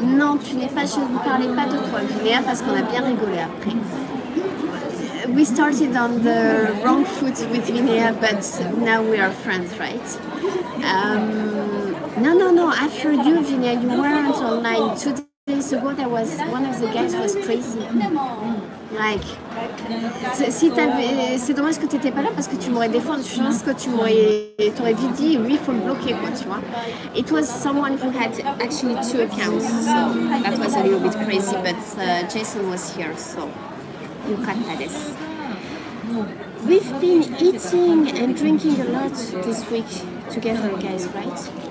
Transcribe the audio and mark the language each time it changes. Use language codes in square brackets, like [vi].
[fr] Non, tu n'es pas. Je ne vous parlais pas de toi, Julien, parce qu'on a bien rigolé après. [en] We started on the wrong foot with Linnea, but now we are friends, right? No. After you, Linnea, you weren't online. 2 days ago, there was one of the guys was crazy. [fr] Like, si t'avais, c'est dommage que tu étais pas là parce que tu m'aurais défendu. Je pense que tu m'aurais vite dit, oui, il faut le bloquer, quoi, tu vois. [en] It was someone who had actually two accounts, so that was a little bit crazy, but Jason was here, so. You can't have this. We've been eating and drinking a lot this week together, guys, right?